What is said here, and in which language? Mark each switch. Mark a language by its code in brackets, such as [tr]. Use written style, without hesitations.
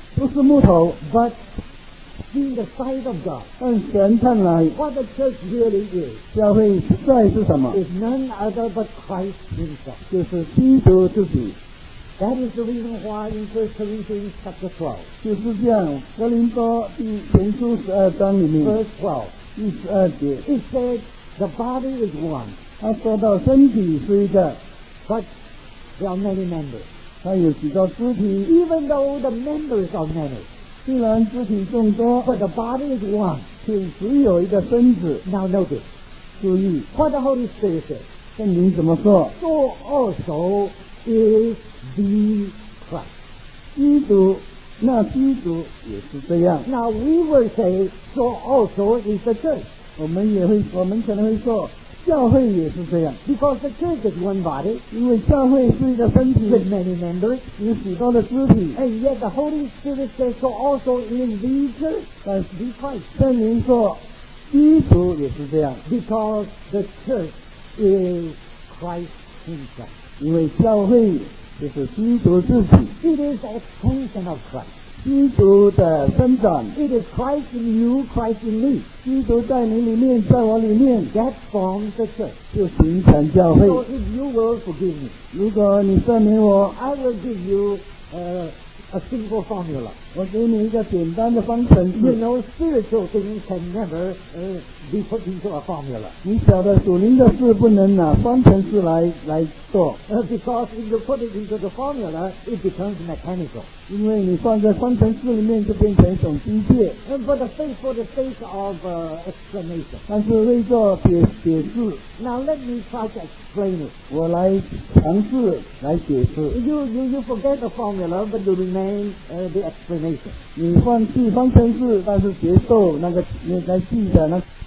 [zh] 都是木头 [en] But in the sight of God [zh] 但神看来 [en] What the church really is [zh] 教会实在是什么 [en] Is none other but Christ himself [zh] 就是基督自己 [en] That is the reason why in 1 Corinthians chapter 12. [zh] 就是这样，哥林多第前书十二章里面。 [en] Verse 12. [zh] 第十二节。 [en] It says the body is one. [zh] 他说到身体是一个。 [en] But there are many members. [zh] 他有几个肢体。 [en] Even though the members are many. [zh] 虽然肢体众多。 [en] But the body is one. [zh] 却只有一个身子。 [en] Now notice. [zh] 注意。 [en] What the Holy Spirit says. [zh] 圣灵怎么说 [en] ？So also is the Christ. [zh] 基督，那基督也是这样。 [en] Now we will say, so also is the church. [zh] 我们可能会说，教会也是这样。 [en] Because the church is one body. [zh] 因为教会是一个身体。 [en] With many members. [zh] 有许多的肢体。 [en] And yet the Holy Spirit says, so also is the church. [zh] 但是 [en] the Christ. [zh] 圣灵说，基督也是这样。 [en] Because the church is Christ himself. [zh] 因为教会就是基督自己 [en] It is the extension of Christ [zh] 基督的生长 [en] It is Christ in you, Christ in me [zh] 基督在你里面在我里面 [en] That forms the church [zh] 就形成教会 [en] So if you will forgive me [zh] 如果你赦免我 [en] I will give you a simple formula [zh] 我给你一个简单的方程式 [en] You know spiritual things can never be put into a formula [zh] 你晓得属灵的事不能拿方程式来做 [en] Because if you put it into the formula it becomes mechanical [zh] 因为你放在方程式里面就变成一种机械 [en] But for the sake of explanation [zh] 但是为做解释 [en] Now let me try to explain it [zh] 我来尝试来解释 [en] You forget the formula but you remain the explanation [zh] 你放弃方程式但是接受那个你来记得那